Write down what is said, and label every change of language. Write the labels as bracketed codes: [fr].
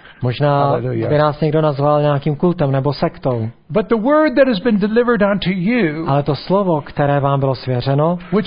[cs] Možná by nás někdo nazval nějakým kultem nebo sektou. [en] But the word that has been delivered unto you, [cs] ale to slovo, které vám bylo svěřeno,